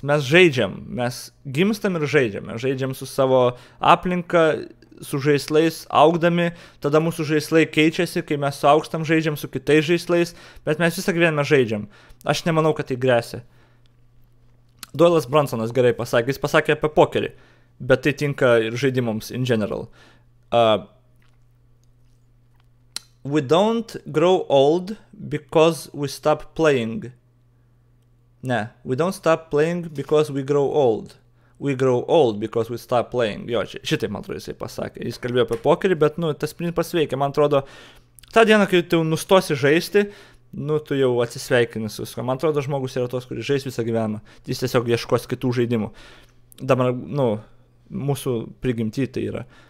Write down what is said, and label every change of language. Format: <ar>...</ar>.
<lt>Mes žaidžiam, mes gimstam ir žaidžiam. Mes žaidžiam su savo aplinka, su žaislais augdami, tada mūsų žaislai keičiasi, kai mes suaugstam žaidžiam su kitais žaislais, bet mes visą gyvenimą žaidžiam. Aš nemanau, kad tai grėsia. Doylas Bransonas gerai pasakė, jis pasakė apie pokerį. Bet tai tinka ir žaidimams</lt> <en>in general. We don't grow old because we stop playing. Ne, we don't stop playing because we grow old. We grow old because we stop playing.</en> <lt>Jo, šitai, man atrodo, jisai pasakė. Jis kalbėjo apie pokerį, bet, nu, tas principas veikia. Man atrodo, tą dieną, kai tu nustosi žaisti, nu, tu jau atsisveikini su visko. Man atrodo, žmogus yra tos, kuris žais visą gyvenimą. Jis tiesiog ieškos kitų žaidimų. Dabar, nu, mūsų prigimty tai yra.</lt>